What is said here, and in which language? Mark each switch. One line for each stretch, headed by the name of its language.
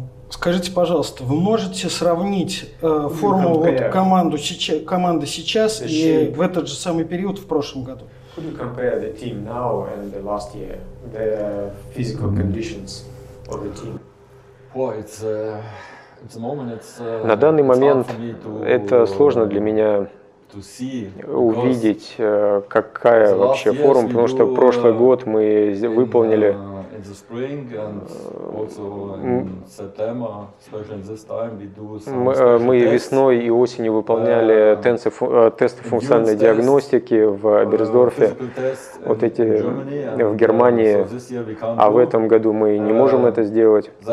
Russian: Скажите, пожалуйста, вы можете сравнить форму команды сейчас и в этот же самый период в прошлом году?
English: Could you compare the team now and the last year, the physical conditions of the team?
Russian: На данный момент это сложно для меня увидеть, какая вообще форма, потому что прошлый год мы выполнили. Мы весной и осенью выполняли тесты функциональной диагностики в Оберсдорфе, вот эти в Германии, а в этом году мы не можем это сделать.